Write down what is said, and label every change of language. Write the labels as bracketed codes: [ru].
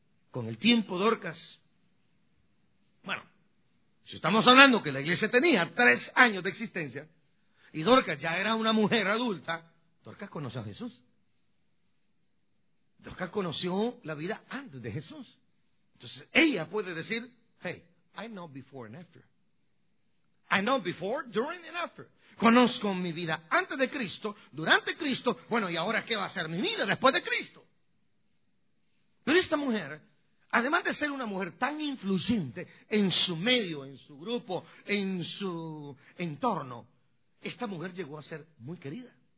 [es] Con el tiempo, Dorcas, bueno, si estamos hablando que la iglesia tenía 3 años de existencia y Dorcas ya era una mujer adulta, Dorcas conoció a Jesús. Dorcas conoció la vida antes de Jesús. Entonces, ella puede decir, [en] hey, I know before and after. I know before, during and after. [es] Conozco mi vida antes de Cristo, durante Cristo, bueno, ¿y ahora qué va a ser mi vida después de Cristo? Pero esta mujer, además de ser una mujer tan influyente en su medio, en su grupo, en su entorno, esta mujer llegó a ser muy querida.